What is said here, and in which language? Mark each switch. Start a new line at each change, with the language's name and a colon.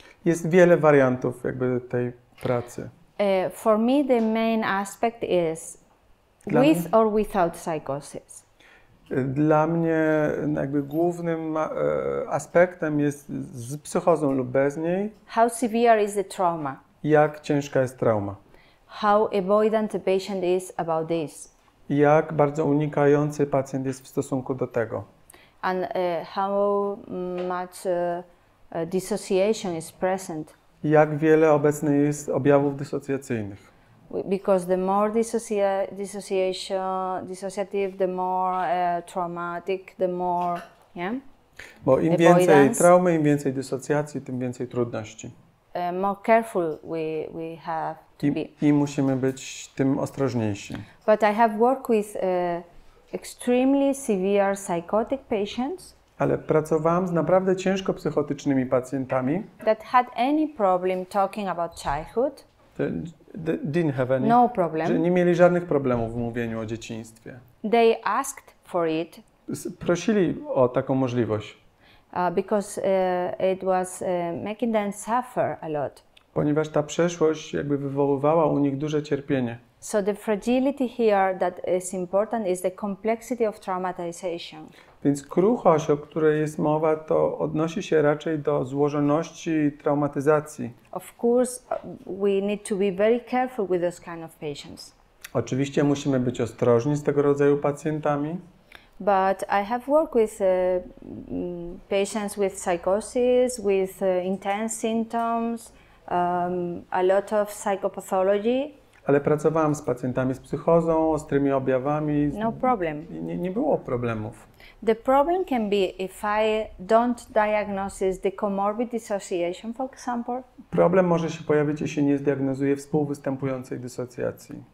Polish: Jest wiele wariantów jakby tej pracy.
English: For me the main aspect is with or without psychosis?
Polish: Dla mnie jakby głównym aspektem jest z psychozą lub bez niej.
English: How severe is the trauma?
Polish: Jak ciężka jest trauma?
English: How avoidant the patient is about this?
Polish: Jak bardzo unikający pacjent jest w stosunku do tego?
English: And how much dissociation is present?
Polish: Jak wiele obecnych jest objawów dysocjacyjnych?
English: Because the more dissociative, the more traumatic, the more,
Polish: Bo im więcej traumy, im więcej dysocjacji, tym więcej trudności.
English: More careful we have to be.
Polish: I musimy być tym ostrożniejsi.
English: But I have worked with extremely severe psychotic patients.
Polish: Ale pracowałam z naprawdę ciężko psychotycznymi pacjentami.
English: That had any problem talking about childhood. Didn't have any. No problem.
Polish: Że nie mieli żadnych problemów w mówieniu o dzieciństwie.
English: They asked for it.
Polish: Prosili o taką możliwość.
English: Because it was making them suffer a lot.
Polish: Ponieważ ta przeszłość jakby wywoływała u nich duże cierpienie.
English: So the fragility here that is important is the complexity of traumatization.
Polish: Więc kruchość, o której jest mowa, to odnosi się raczej do złożoności traumatyzacji.
English: Of course, we need to be very careful with those kind of patients.
Polish: Oczywiście musimy być ostrożni z tego rodzaju pacjentami.
English: But I have worked with patients with psychosis, with intense symptoms, a lot of psychopathology.
Polish: Ale pracowałam z pacjentami z psychozą, ostrymi objawami.
English: No problem.
Polish: Nie było problemów.
English: The problem can be if I don't diagnose the comorbid dissociation, for example.
Polish: Problem może się pojawić, jeśli nie zdiagnozuję współwystępującej dysocjacji.